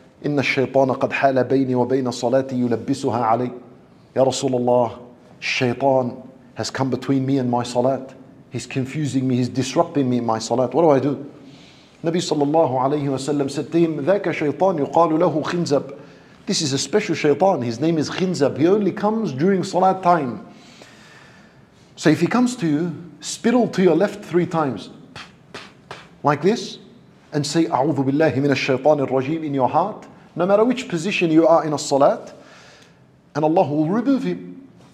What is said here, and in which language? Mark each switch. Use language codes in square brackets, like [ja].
[ar] إن الشيطان قد حال بيني وبين صلاتي يلبسها علي يا رسول الله الشيطان [en] has come between me and my salat. He's confusing me, he's disrupting me in my salat. What do I do? [ar] نبي صلى الله عليه وسلم [en] said to him, [ar] ذاك شيطان يقال له خنزب. [en] This is a special shaitan. His name is خنزب. He only comes during salat time. So if he comes to you, spittle to your left three times like this and say, [ar] أعوذ بالله من الشيطان الرجيم, [en] in your heart, no matter which position you are in a salat, and Allah will remove him.